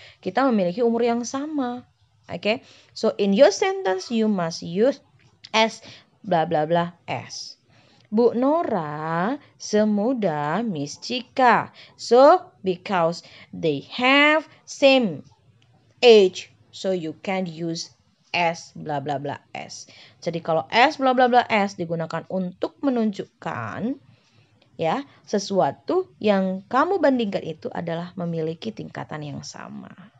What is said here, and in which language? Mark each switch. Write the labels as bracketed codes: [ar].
[id] Kita memiliki umur yang sama. [en] Okay? So in your sentence you must use S blah blah blah S. [id] Bu Nora semuda Miss Chika. [en] So because they have same age, so you can use S blah blah blah S. [id] Jadi kalau S blah blah blah S digunakan untuk menunjukkan ya sesuatu yang kamu bandingkan itu adalah memiliki tingkatan yang sama.